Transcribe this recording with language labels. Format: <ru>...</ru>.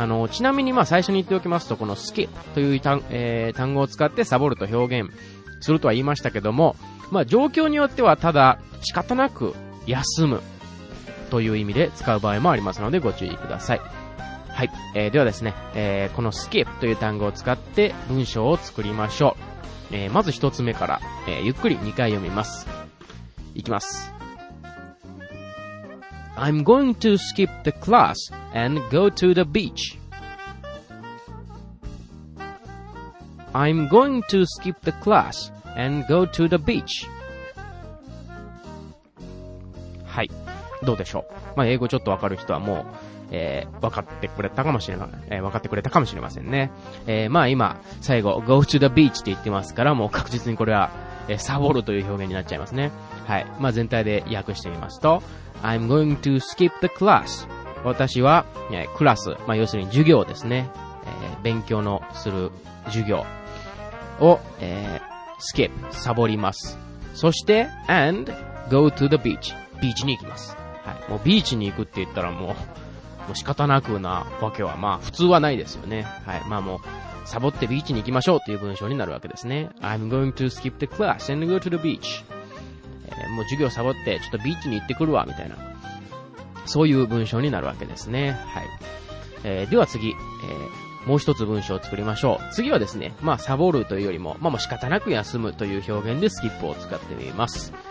<ja>ちなみに、ま、最初に言っておきますと、この skip という単語を使ってサボると表現するとは言いましたけども、まあ、状況によってはただ仕方なく休むという意味で使う場合もありますのでご注意ください。はい。ではですね、この skip という単語を使って文章を作りましょう。まず一つ目から、ゆっくり2回読みます。いきます。</ja> <en>I'm going to skip the class and go to the beach. I'm going to skip the class and go to the beach.</en> <ja>はい。どうでしょう。まあ、英語ちょっとわかる人はもう、分かってくれたかもしれない、分かってくれたかもしれませんね。まあ今最後</ja> <en>go to the beach</en> <ja>って言ってますから、もう確実にこれは、サボるという表現になっちゃいますね。はい、まあ全体で訳してみますと、</ja> <en>I'm going to skip the class。</en> <ja>私は、クラス、まあ要するに授業ですね、勉強のする授業を、skip、 サボります。そして</ja> <en>and go to the beach、</en> <ja>ビーチに行きます。はい、もうビーチに行くって言ったらもう仕方なくなわけは、まあ普通はないですよね。はい。まあもう、サボってビーチに行きましょうという文章になるわけですね。</ja> <en>I'm going to skip the class and go to the beach。</en> <ja>もう授業サボってちょっとビーチに行ってくるわ、みたいな。そういう文章になるわけですね。はい。では次、もう一つ文章を作りましょう。次はですね、まあサボるというよりも、まあもう仕方なく休むという表現でスキップを使ってみます。</ja>